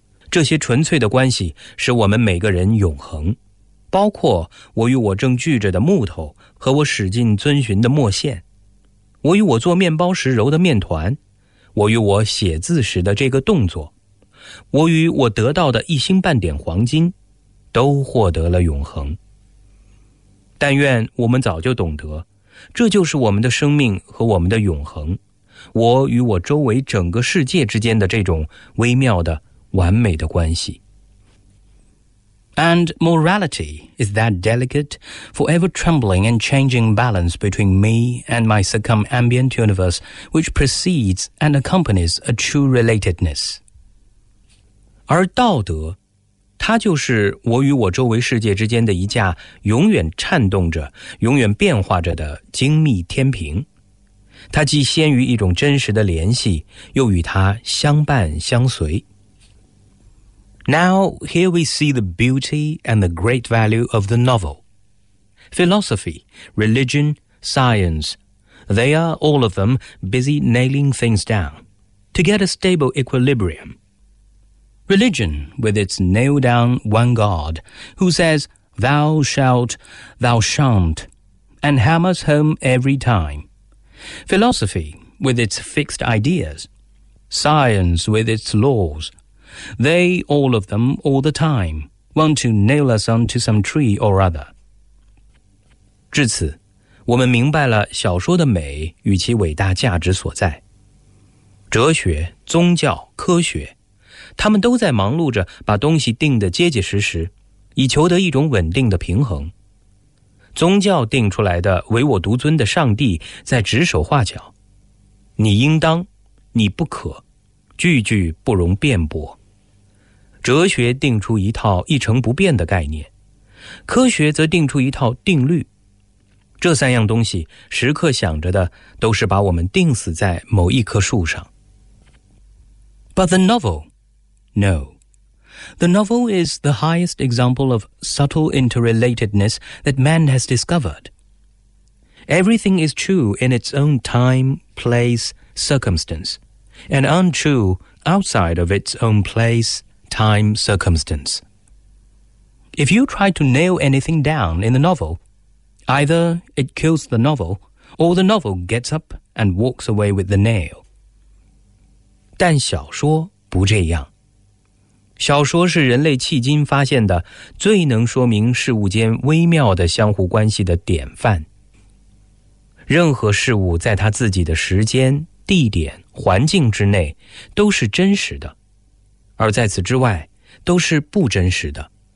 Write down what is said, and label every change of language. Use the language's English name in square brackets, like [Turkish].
[Chinese] 这些纯粹的关系使我们每个人永恒，包括我与我正锯着的木头和我使劲遵循的墨线，我与我做面包时揉的面团，我与我写字时的这个动作，我与我得到的一星半点黄金，都获得了永恒。但愿我们早就懂得，这就是我们的生命和我们的永恒，我与我周围整个世界之间的这种微妙的完美的关系。 [English] And morality is that delicate, forever trembling and changing balance between me and my circumambient universe which precedes and accompanies a true relatedness. [Chinese] 而道德，它就是我与我周围世界之间的一架永远颤动着、永远变化着的精密天平。它既先于一种真实的联系，又与它相伴相随。 [English] Now, here we see the beauty and the great value of the novel. Philosophy, religion, science, they are all of them busy nailing things down to get a stable equilibrium. Religion, with its nailed down one God, who says, thou shalt, thou shan't, and hammers home every time. Philosophy, with its fixed ideas. Science, with its laws. They, all of them, all the time, want to nail us onto some tree or other. [Chinese] 至此，我们明白了小说的美与其伟大价值所在。哲学、宗教、科学，他们都在忙碌着把东西定得结结实实，以求得一种稳定的平衡。宗教定出来的唯我独尊的上帝在指手画脚，你应当，你不可。句句不容辩驳。哲学定出一套一成不变的概念，科学则定出一套定律。这三样东西时刻想着的都是把我们定死在某一棵树上。 [English] But the novel, no. The novel is the highest example of subtle interrelatedness that man has discovered. Everything is true in its own time, place, circumstance. And untrue outside of its own place, time, circumstance. If you try to nail anything down in the novel, either it kills the novel, or the novel gets up and walks away with the nail. [Chinese] 但小说不这样。小说是人类迄今发现的最能说明事物间微妙的相互关系的典范。任何事物在它自己的时间、地点、环境之内都是真实的，而在此之外都是不真实的。